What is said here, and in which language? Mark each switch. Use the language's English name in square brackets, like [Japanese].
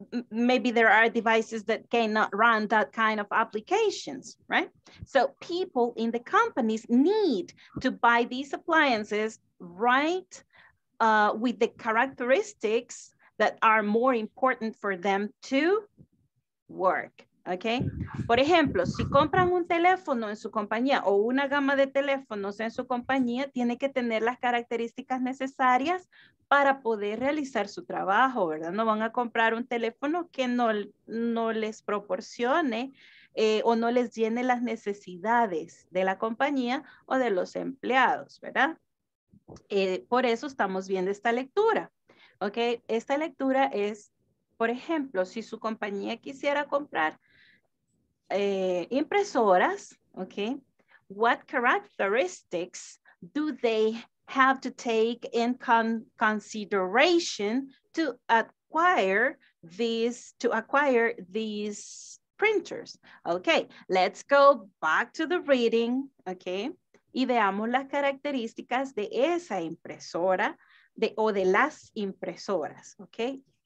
[English] Maybe there are devices that cannot run that kind of applications, right? So people in the companies need to buy these appliances, right, with the characteristics that are more important for them to work, okay? [Spanish] Por ejemplo, si compran un teléfono en su compañía o una gama de teléfonos en su compañía, tiene que tener las características necesarias para poder realizar su trabajo, ¿verdad? No van a comprar un teléfono que no les proporcione o no les llene las necesidades de la compañía o de los empleados, ¿verdad? Por eso estamos viendo esta lectura, ¿ok? Esta lectura es, por ejemplo, si su compañía quisiera comprar impresoras, ¿ok? [English] What characteristics do they have to take in consideration to acquire these printers. Okay, let's go back to the reading, okay? [Spanish] Y veamos las características de esa impresora de o de las impresoras, okay?